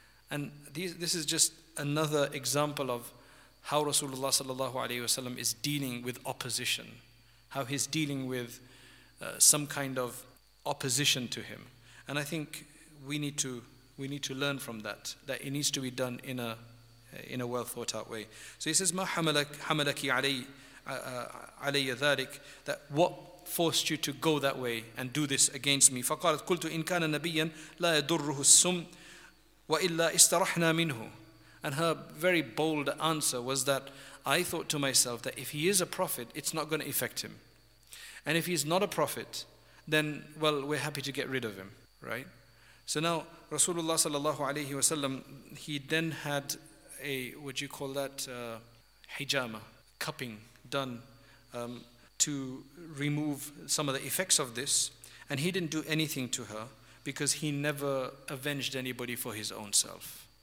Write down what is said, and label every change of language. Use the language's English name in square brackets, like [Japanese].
[English] And this is just another example of how Rasulullah sallallahu alayhi wa sallam is dealing with opposition, how he's dealing with some kind of opposition to him. And I think we need to learn from that it needs to be done in a well thought out way. So he says, [Arabic] ما حملكِ عليَّ ذلك, [English] that what forced you to go that way and do this against me. [Arabic] فقالت قلت إن كان نبيا لا يضره السم وإلا استرحنا منه. [English] And her very bold answer was that I thought to myself that if he is a prophet, it's not going to affect him, and if he's not a prophet, then, well, we're happy to get rid of him, right? So now Rasulullah sallallahu alayhi wasallam, he then had a, what do you call that, hijama, cupping done to remove some of the effects of this, and he didn't do anything to her because he never avenged anybody for his own self.